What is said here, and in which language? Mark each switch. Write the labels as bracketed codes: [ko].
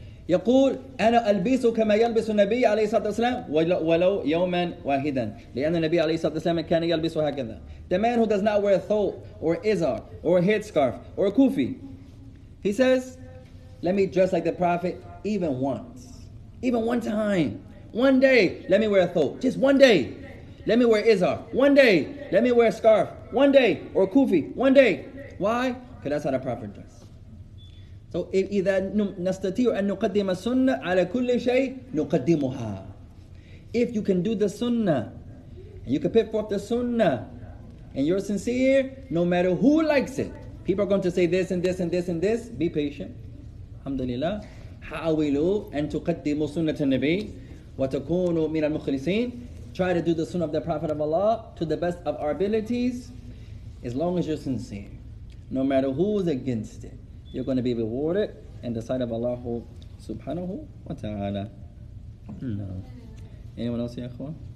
[ar] يقول أنا ألبس كما يلبس النبي عليه الصلاة والسلام ولو يوما واحدا. لأن النبي عليه الصلاة والسلام كان يلبس هكذا. [en] The man who does not wear a thobe or izar or a headscarf or a kufi, he says, let me dress like the Prophet even once. Even one time. One day, let me wear a thobe. Just one day. Let me wear izar. One day. Let me wear a scarf. One day. Or a kufi. One day. Why? Because that's how the Prophet dress. [ar] So, إذا نستطيع أن نقدم السنة على كل شيء نقدمها. [en] If you can do the sunnah, and you can put forth the sunnah, and you're sincere, no matter who likes it, people are going to say this and this and this and this, be patient. Alhamdulillah. [ar] حاولوا أن تقدموا سنة النبي وتكونوا من المخلصين. [en] Try to do the sunnah of the Prophet of Allah to the best of our abilities, as long as you're sincere. No matter who's against it, you're going to be rewarded in the sight of Allah subhanahu wa ta'ala. No. Anyone else, ya akhwan?